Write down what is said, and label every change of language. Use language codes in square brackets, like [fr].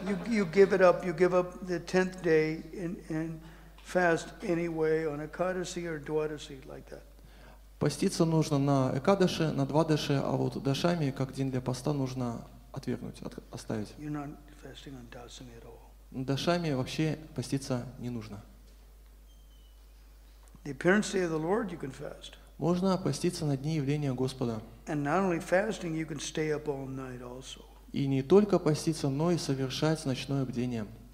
[en] You give it up, you give up the 10th day and fast anyway on Ekadasi or Dwadasi, like that. [ru] Поститься нужно на Экадаше, на Двадаше, а вот Дашами, как день для поста, нужно отвергнуть, оставить. [en] You're not fasting on Dasami at all. [ru] Дашами вообще поститься не нужно. [en] The appearance day of the Lord you can fast. [ru] Можно поститься на дни явления Господа. [en] And not only fasting, you can stay up all night also. [ru] И не только поститься, но и совершать ночное бдение.